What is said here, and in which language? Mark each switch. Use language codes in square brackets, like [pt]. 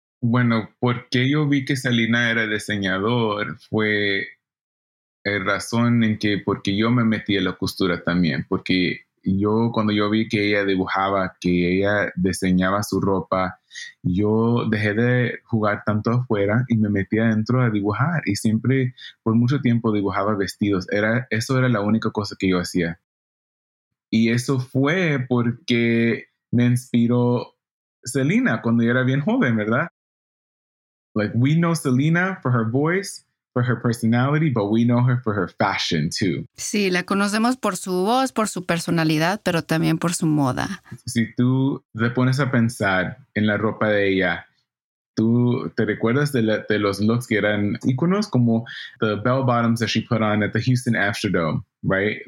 [es] Bueno, porque yo vi que Selena era diseñador fue la razón en que, porque yo me metí en la costura también, porque yo cuando yo vi que ella dibujaba, que ella diseñaba su ropa, yo dejé de jugar tanto afuera y me metí adentro a dibujar. Y siempre, por mucho tiempo, dibujaba vestidos. Eso era la única cosa que yo hacía. Y eso fue porque me inspiró Selena cuando yo era bien joven, ¿verdad? [en] Like, we know Selena for her voice, for her personality, but we know her for her fashion too. [es] Sí, la conocemos por su voz, por su personalidad, pero también por su moda. Si tú te pones a pensar en la ropa de ella, tú te recuerdas de los looks que eran iconos, como [en] the bell bottoms that she put on at the Houston Astrodome, right?